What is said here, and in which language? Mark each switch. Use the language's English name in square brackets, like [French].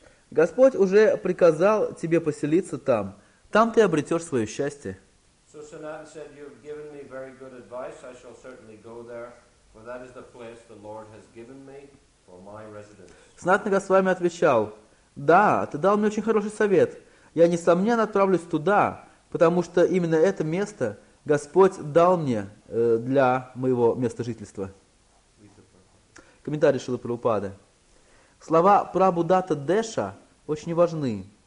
[Russian] Господь уже приказал тебе поселиться там. Там ты обретешь свое счастье. [English] So Sanatana said, you've given me very good advice. I shall certainly go there, for that is the place the Lord has given me for my residence. [Russian] Санатана Госвами отвечал, да, ты дал мне очень хороший совет. Я, несомненно, отправлюсь туда, потому что именно это место Господь дал мне для моего места жительства. Комментарий Шрилы Прабхупады. Слова Прабхудата Деша очень важны.